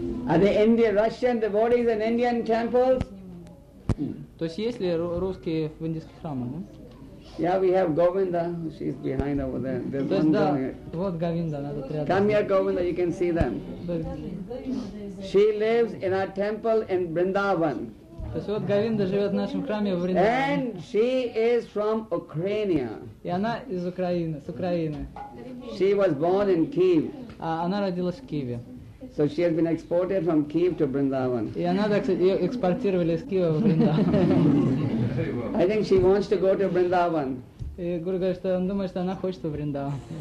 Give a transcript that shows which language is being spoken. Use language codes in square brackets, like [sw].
[en] Are the Indian Russian devotees in Indian temples? [ru] То есть есть ли русские в индийских храмах? [en] Yeah, we have Govinda. She's behind over there. There's one going. [ru] Вот Говинда, надо прятаться. [en] Come here, Govinda. You can see them. She lives in our temple in Vrindavan. [ru] То есть вот Говинда живет в нашем храме в Вриндаване. [en] And she is from Ukraine. [ru] И она из Украины, с Украины. [en] She was born in Kyiv. [ru] А она родилась в Киеве. [en] So she has been exported from Kyiv to Vrindavan. [ru] И она, так сказать, ее экспортировали из Киева в Вриндаван. [en] I think she wants to go to Vrindavan. [ru] И Гуру говорит, что он думает, что она хочет в Вриндаван.